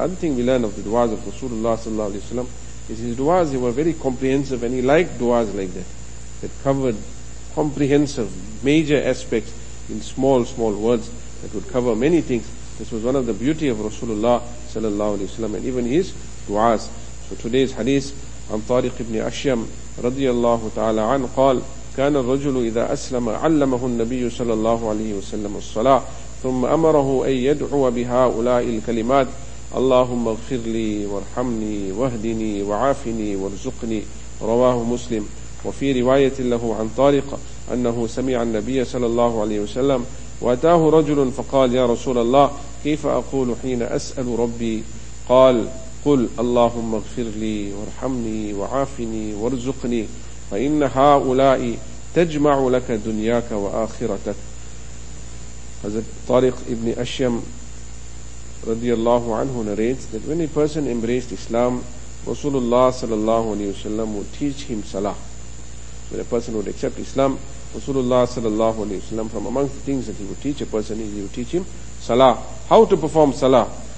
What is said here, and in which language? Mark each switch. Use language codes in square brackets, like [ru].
[en] The other thing we learn of the du'as of Rasulullah sallallahu alayhi wa sallam is his du'as, they were very comprehensive, and he liked du'as like that, that covered comprehensive major aspects in small, small words that would cover many things. This was one of the beauty of Rasulullah sallallahu alayhi wa sallam and even his du'as. So today's hadith, [ar] عن طارق بن أشيم رضي الله تعالى عنه قال كان الرجل إذا أسلم علمه النبي صلى الله عليه وسلم الصلاة ثم أمره أن يدعو بهؤلاء الكلمات اللهم اغفر لي وارحمني واهدني وعافني وارزقني رواه مسلم وفي رواية له عن طارق أنه سمع النبي صلى الله عليه وسلم وأتاه رجل فقال يا رسول الله كيف أقول حين أسأل ربي قال قل اللهم اغفر لي وارحمني وعافني وارزقني فإن هؤلاء تجمع لك دنياك وآخرتك. [en] Hazrat Tariq ibn Ashyam radiallahu anhu narrates that when a person embraced Islam, Rasulullah sallallahu alayhi wa sallam would teach him salah. When a person would accept Islam, Rasulullah sallallahu alayhi wa sallam, from amongst the things that he would teach a person is he would teach him salah, how to perform salah.